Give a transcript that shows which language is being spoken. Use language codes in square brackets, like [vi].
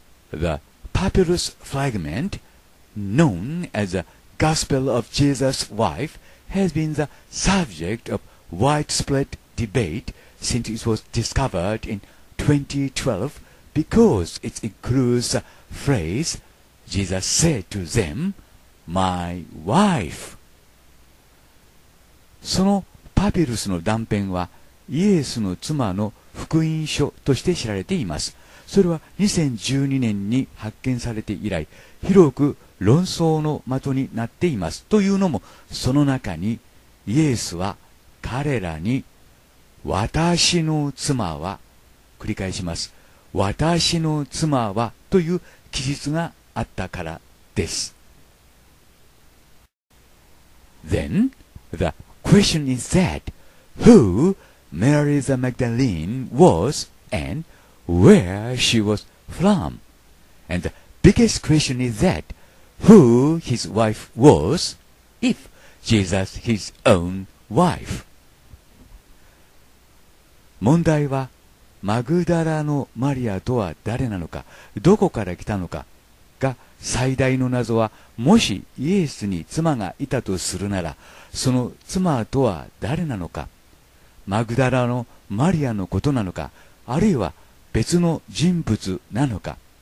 [en] The papyrus fragment known as the Gospel of Jesus' wife has been the subject of widespread debateSince it was discovered in 2012, because it includes a phrase, Jesus said to them, My wife. [ja] そのパピルスの断片はイエスの妻の福音書として知られています。それは2012年に発見されて以来、広く論争の的になっています。というのも、その中にイエスは彼らに私の妻は、繰り返します。私の妻はという記述があったからです。 [en] Then, the question is that, who Mary the Magdalene was and where she was from? And the biggest question is that, who his wife was, if Jesus his own wife? [ja] 問題はマグダラのマリアとは誰なのか、どこから来たのかが最大の謎は、もしイエスに妻がいたとするなら、その妻とは誰なのか、マグダラのマリアのことなのか、あるいは別の人物なのか。